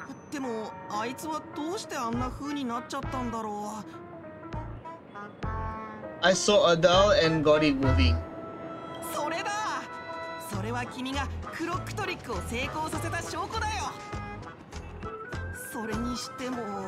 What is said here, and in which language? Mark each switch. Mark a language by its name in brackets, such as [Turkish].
[Japanese] でもあいつはどうしてあんな風になっちゃったんだろう。 [English] I saw a doll and got it moving。 [Japanese] それだ。それは君がクロックトリックを成功させた証拠だよ。それにしても。